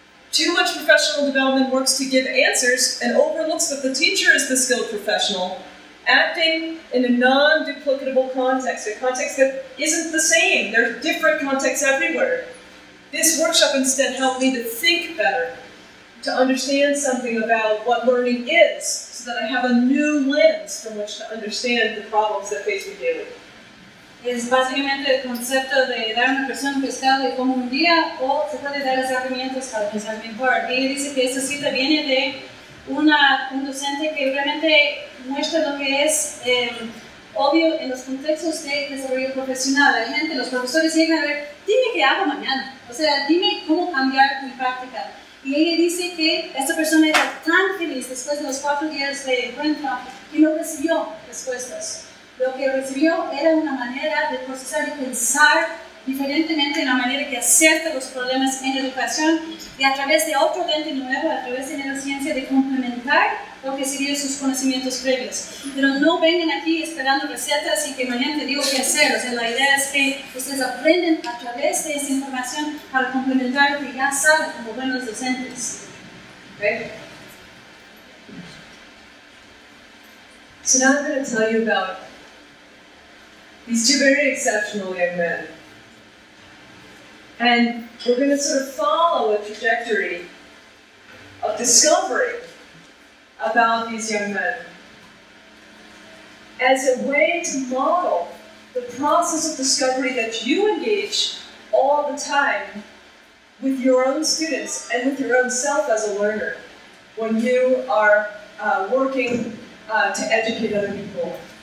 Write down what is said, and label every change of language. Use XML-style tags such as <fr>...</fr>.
<en>Too much professional development works to give answers and overlooks that the teacher is the skilled professional, acting in a non-duplicatable context, a context that isn't the same. There are different contexts everywhere. This workshop instead helped me to think better, to understand something about what learning is, so that I have a new lens from which to understand the problems that face me daily.</en> <es>es básicamente el concepto de dar a una persona un pescado y como un día, o se puede dar las herramientas para pensar mejor. Y dice que esta cita viene de un docente que realmente muestra lo que es obvio en los contextos de desarrollo profesional. La gente, los profesores llegan a ver, dime qué hago mañana, o sea, dime cómo cambiar mi práctica. Y ella dice que esta persona era tan feliz después de los 4 días de encuentro que no recibió respuestas. Lo que recibió era una manera de procesar y pensar diferentemente en la manera que acepta los problemas en educación y a través de otro lente nuevo, a través de la ciencia, de complementar lo que serían sus conocimientos previos. Pero no vengan aquí esperando recetas y que mañana te digo qué hacer. O sea, la idea es que ustedes aprenden a través de esa información para complementar lo que ya saben como buenos docentes.</es> <en>Okay. So now I'm going to tell you about these two very exceptional young men. And we're going to sort of follow a trajectory of discovery about these young men as a way to model the process of discovery that you engage all the time with your own students and with your own self as a learner when you are working to educate other people.</en>